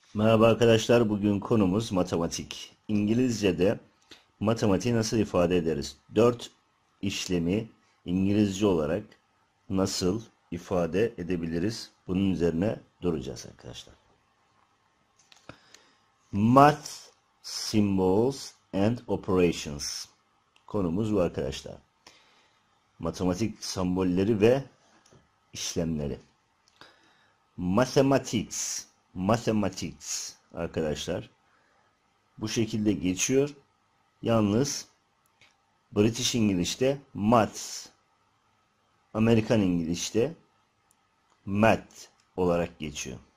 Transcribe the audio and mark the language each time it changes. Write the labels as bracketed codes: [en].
[tr] Merhaba arkadaşlar, bugün konumuz matematik. İngilizce'de matematiği nasıl ifade ederiz? Dört işlemi İngilizce olarak nasıl ifade edebiliriz? Bunun üzerine duracağız arkadaşlar. [en] Math, Symbols and Operations. [tr] Konumuz bu arkadaşlar. Matematik sembolleri ve işlemleri. Mathematics. Mathematics arkadaşlar bu şekilde geçiyor. Yalnız British English'te maths, Amerikan İngilizce'de math olarak geçiyor.